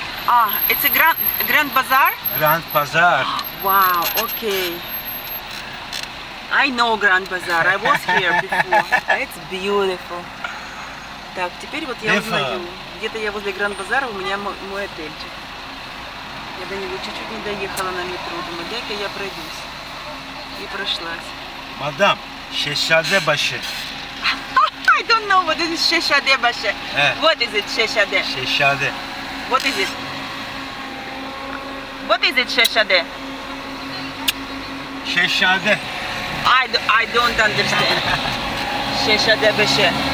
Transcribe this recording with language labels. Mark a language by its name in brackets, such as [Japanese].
[English] А, it's a grand, grand bazaar? Grand bazaar. [Russian] Вау, окей. [English] I know Grand Bazaar, I was here before. It's beautiful. [Russian] Так, теперь вот я узнаю. Где-то я возле Grand Bazaar, у меня мой отельчик. Я до него чуть-чуть не доехала на метро. Думаю, дай-ка я пройдусь. И прошлась. [Turkish] Мадам, шешаде баше. [English] I don't know what is шешаде баше. What is it, шешаде? [Turkish] Шешаде. [English] What is it? What is it, шешаде? [Turkish] Шешаде. [English] I don't understand. Шешаде баше.